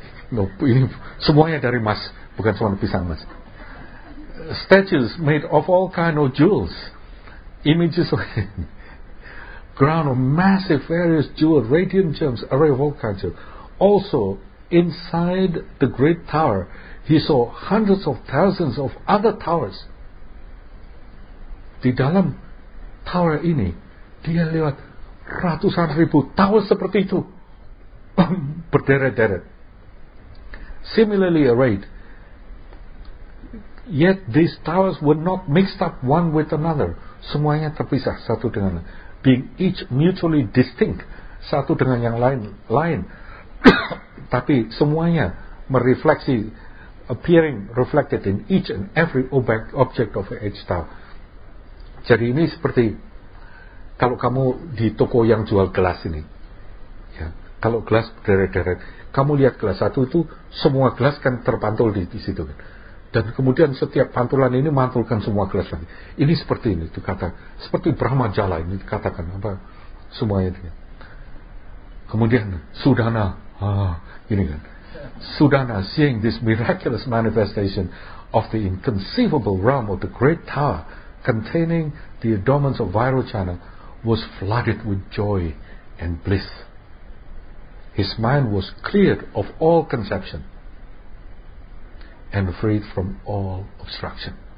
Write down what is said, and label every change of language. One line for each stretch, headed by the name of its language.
Indonesian: No, ini semuanya dari emas, bukan cuma pisang emas.
English: Statues made of all kind of jewels, images of ground of massive various jewels, radiant gems, array of all kinds of. Also inside the great tower he saw hundreds of thousands of other towers.
Indonesian: Di dalam tower ini dia lewat ratusan ribu tower seperti itu. Berderet-deret.
English: Similarly arrayed, yet these towers were not mixed up one with another.
Indonesian: Semuanya terpisah satu dengan lain.
English: Being each mutually distinct,
Indonesian: satu dengan yang lain. Tapi semuanya merefleksi,
English: appearing reflected in each and every object of each tower.
Indonesian: Jadi ini seperti kalau kamu di toko yang jual gelas ini. Kalau gelas deret-deret, kamu lihat gelas satu itu, semua gelas kan terpantul di situ kan. Dan kemudian setiap pantulan ini mantulkan semua gelas lagi. Ini seperti ini, itu kata seperti Brahma Jala ini dikatakan apa semuanya. Kemudian Sudana, ini kan.
English: Sudana seeing this miraculous manifestation of the inconceivable realm of the great tower containing the adornments of Vairochana was flooded with joy and bliss. His mind was cleared of all conception and freed from all obstruction.